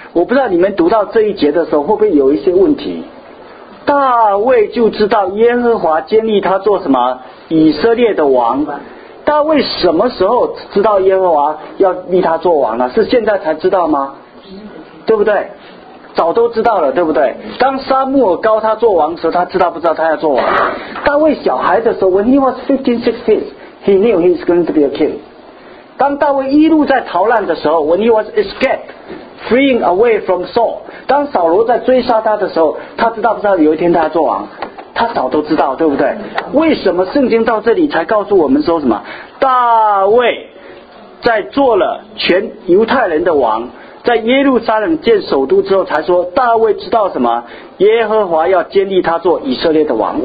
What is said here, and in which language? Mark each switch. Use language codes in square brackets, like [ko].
[zh] 我不知道你们读到这一节的时候会不会有一些问题。大卫就知道耶和华建立他做什么以色列的王。大卫什么时候知道耶和华要立他做王呢？是现在才知道吗？对不对？早都知道了，对不对？当撒母耳高他做王的时候，他知道不知道他要做王？大卫小孩的时候 [en] When he was 15-16 he knew he was going to be a king。 [zh] 当大卫一路在逃难的时候 [en] When he was escaped Freeing away from Saul， [zh] 当扫罗在追杀他的时候，他知道不知道有一天他要做王？他早都知道，对不对？为什么圣经到这里才告诉我们说什么大卫在做了全犹太人的王，在耶路撒冷建首都之后才说大卫知道什么耶和华要建立他做以色列的王？